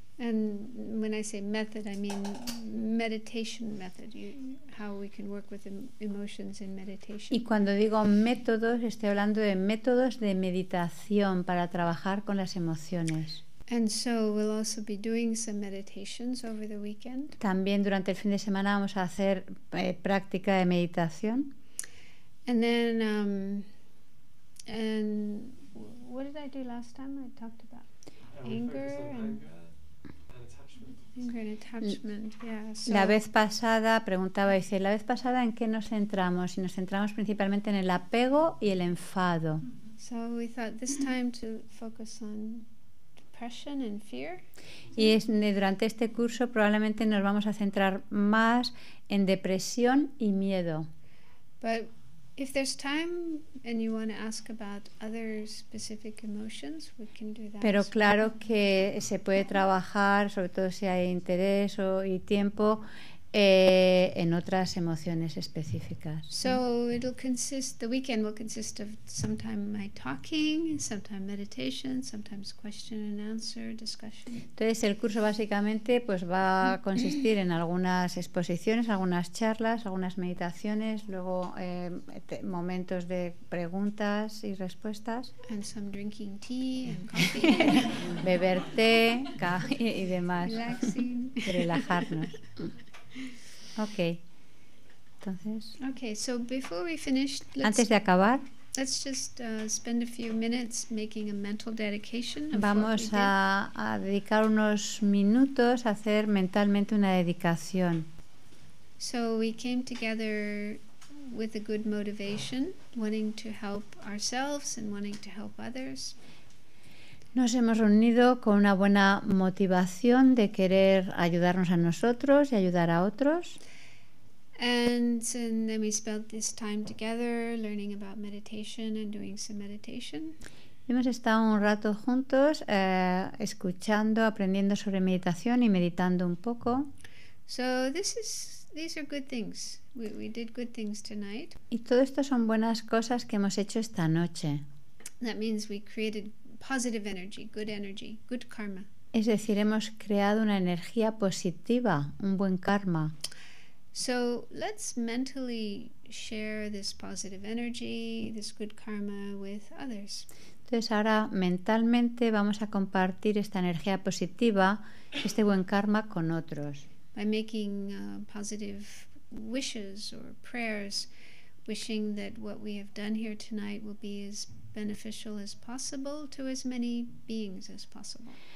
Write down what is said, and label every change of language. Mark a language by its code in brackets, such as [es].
[en] And when I say method, I mean meditation method. How we can work with emotions in meditation. [es] Y cuando digo métodos, estoy hablando de métodos de meditación para trabajar con las emociones. [en] And so we'll also be doing some meditations over the weekend. [es] También durante el fin de semana vamos a hacer práctica de meditación. [en] And then and what did I do last time? I talked about anger and anger and attachment. Yeah. So [es] la vez pasada preguntaba, dice, la vez pasada ¿en qué nos centramos? Y nos centramos principalmente en el apego y el enfado. [en] So we thought this time to focus on depression and fear. [es] Y es, durante este curso probablemente nos vamos a centrar más en depresión y miedo. [en] But if there's time and you want to ask about other specific emotions, we can do that. [es] Pero claro que se puede trabajar, sobre todo si hay interés o y tiempo, en otras emociones específicas. [en] So it'll consist, the weekend will consist of sometime my talking, sometime meditation, sometimes question and answer discussion. [es] Entonces el curso básicamente pues va a consistir en algunas exposiciones, algunas charlas, algunas meditaciones, luego momentos de preguntas y respuestas. [en] And some drinking tea and coffee. [es] Beber té y demás. [en] Relaxing. [es] Relajarnos. Okay. Entonces, [en] okay, so before we finish, [es] antes de acabar, [en] let's just spend a few minutes making a mental dedication. [es] Vamos a dedicar unos minutos a hacer mentalmente una dedicación. [en] So we came together with a good motivation, wanting to help ourselves and wanting to help others. [es] Nos hemos reunido con una buena motivación de querer ayudarnos a nosotros y ayudar a otros. [en] And then we spent this time together learning about meditation and doing some meditation. [es] Y hemos estado un rato juntos escuchando, aprendiendo sobre meditación y meditando un poco. [en] So these are good things. We did good things tonight. [es] Y todo esto son buenas cosas que hemos hecho esta noche. [en] That means we created positive energy, good karma. [es] Es decir, hemos creado una energía positiva, un buen karma. [en] So let's mentally share this positive energy, this good karma with others. [es] Entonces ahora mentalmente vamos a compartir esta energía positiva, este buen karma con otros. [en] By making positive wishes or prayers, wishing that what we have done here tonight will be as beneficial as possible to as many beings as possible.